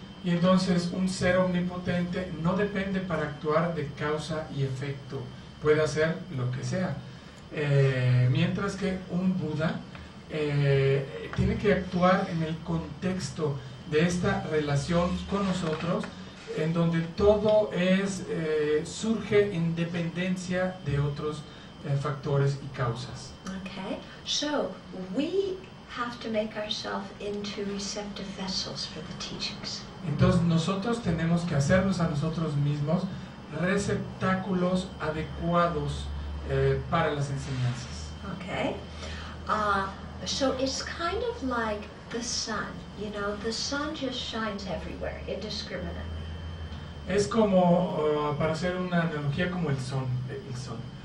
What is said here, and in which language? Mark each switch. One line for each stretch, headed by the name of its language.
Spanish: Y entonces un ser omnipotente no depende para actuar de causa y efecto. Puede hacer lo que sea. Mientras que un Buda tiene que actuar en el contexto de esta relación con nosotros, en donde todo es surge en dependencia de otros factores y causas.
English: Okay, so we have to make ourselves into receptive vessels for the teachings.
Spanish: Entonces nosotros tenemos que hacernos a nosotros mismos receptáculos adecuados para las enseñanzas.
English: Okay, so it's kind of like the sun. You know, the sun just shines everywhere indiscriminately.
Spanish: Es como para hacer una analogía como el sol, el sol.